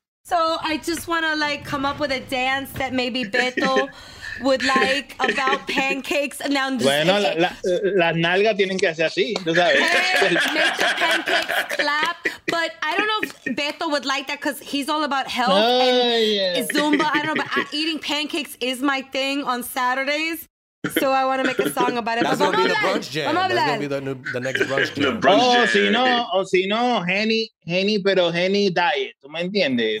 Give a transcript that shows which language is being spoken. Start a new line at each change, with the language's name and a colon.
English: So, I just want to, like, come up with a dance that maybe Beto would like about pancakes. And now,
Spanish: bueno, las nalgas tienen que hacer así, tú sabes.
English: Make the pancakes clap. But I don't know if Beto would like that because he's all about health. Oh, and yeah. Zumba, I don't know, but eating pancakes is my thing on Saturdays. So I want to make a song about it. That's going to be the brunch jam. That's going to be the next brunch jam.
Spanish: Oh, si no, Henny, pero Henny diet. ¿Tú me entiendes?